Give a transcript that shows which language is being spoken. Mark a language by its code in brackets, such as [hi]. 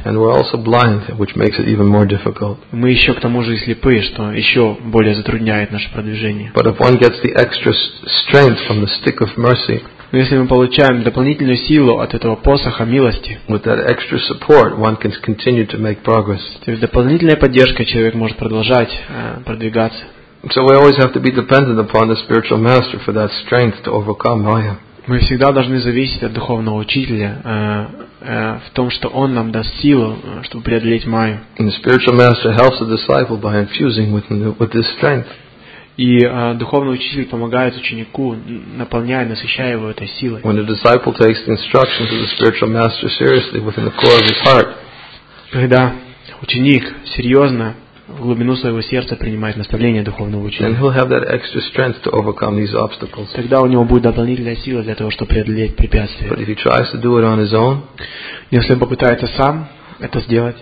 [ru] Мы еще к тому же и слепы, что еще более затрудняет наше продвижение. Но если мы получаем дополнительную силу от этого посоха милости, с этой дополнительной поддержкой человек может продолжать продвигаться. [en] So we always have to be dependent upon the spiritual master for that strength to overcome Maya. [ru] Мы всегда должны зависеть от духовного учителя в том, что он нам даст силу, чтобы преодолеть майю. [en] And the spiritual master helps the disciple by infusing with this strength. [ru] И духовный учитель помогает ученику, наполняя, насыщая его этой силой. [en] When the disciple takes the instructions of the spiritual master seriously within the core of his heart. [ru] Когда ученик серьезно в глубину своего сердца принимает наставление духовного учителя. Тогда у него будет дополнительная сила для того, чтобы преодолеть препятствия. Если он попытается сам это сделать,